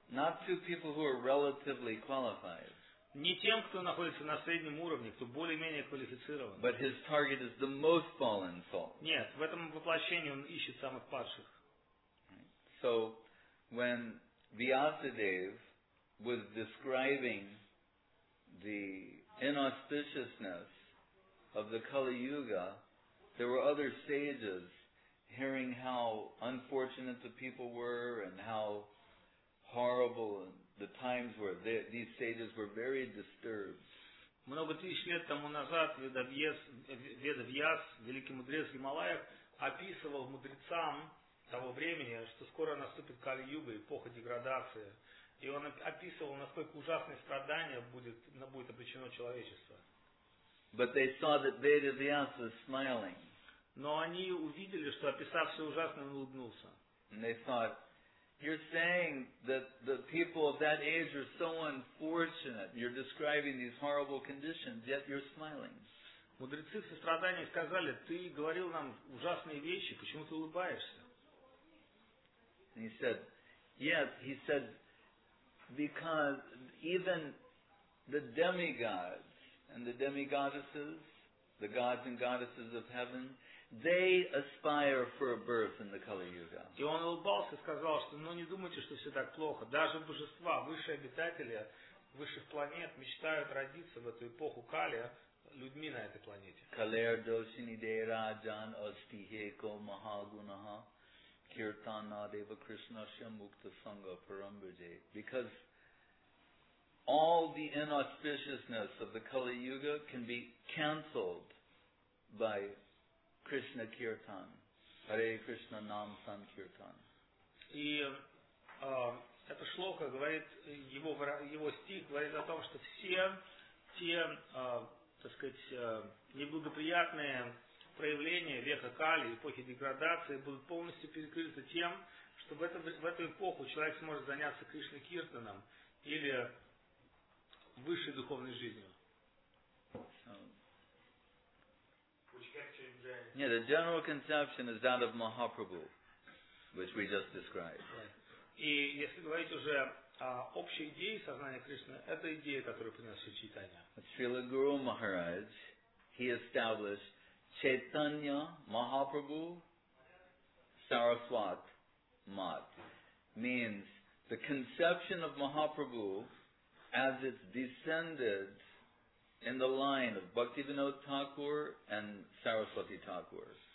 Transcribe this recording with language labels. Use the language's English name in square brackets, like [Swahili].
[English] Not to people who are relatively qualified. [Russian] Не тем, кто находится на среднем уровне, кто более-менее квалифицирован. [English] But his target is the most fallen soul. [Russian] Нет, в этом воплощении он ищет самых падших. [English] So, when Vyasadev was describing the inauspiciousness of the Kali Yuga, there were other sages hearing how unfortunate the people were and how horrible the times were. These sages were very disturbed. [Russian] Много тысяч лет тому назад Веда Вьяс, великий мудрец в Гималаях, описывал мудрецам того времени, что скоро наступит Кали Юга, эпоха деградации. И он описывал, насколько ужасные страдания будет обречено человечество. [English] But they saw that Veda Vyasa was smiling. [Russian] Но они увидели, что описав все ужасное, он улыбнулся. [English] And they thought, you're saying that the people of that age are so unfortunate. You're describing these horrible conditions, yet you're smiling. [Russian] Мудрецы в сострадании сказали, ты говорил нам ужасные вещи, почему ты улыбаешься? [English] And he said, yes, he said, because even the demigods and the demigoddesses, the gods and goddesses of heaven, they aspire for a birth in the Kali Yuga. [Russian] И он улыбался и сказал, что ну не думайте, что все так плохо. Даже божества, высшие обитатели высших планет мечтают родиться в эту эпоху Кали людьми на этой планете. [Sanskrit] Калер дошини дейра джан остихеко махагунаха киртана дева кришна шамукта санга парамбриджи. [English] Because all the inauspiciousness of the Kali Yuga can be cancelled by Krishna Kirtan, Hare Krishna Nam Sankirtan. [Russian] И эта шлока говорит, его стих говорит о том, что все те, так сказать, неблагоприятные проявления века Кали, эпохи деградации, будут полностью перекрыты тем, что в эту эпоху человек сможет заняться Кришна-киртаном или высшей духовной жизнью. [English] Yeah, the general conception is that of Mahaprabhu, which we just described. [Russian] И если говорить уже о общей идее сознания Кришны, это идея, которую принес Шри Чайтанья. [English] Srila Guru Maharaj, he established Chaitanya Mahaprabhu Saraswat Mat, means the conception of Mahaprabhu as it's descended in the line of Bhaktivinoda Thakur and Saraswati Thakur.